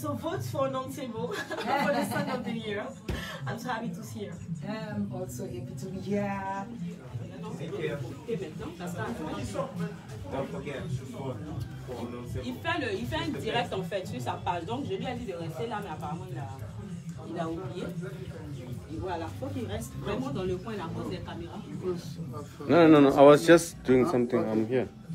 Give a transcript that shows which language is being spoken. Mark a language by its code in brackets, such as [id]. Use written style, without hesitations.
[en] So vote for Nontebo for the song of the year. I'm so happy to see her. I'm also happy to be here. [fr] Il fait un direct en fait sur sa page, donc je lui ai dit de rester là, mais apparemment il a oublié. Et voilà, faut qu'il reste vraiment dans le coin là, pose la caméra. [en] Non, I was just doing something, I'm here.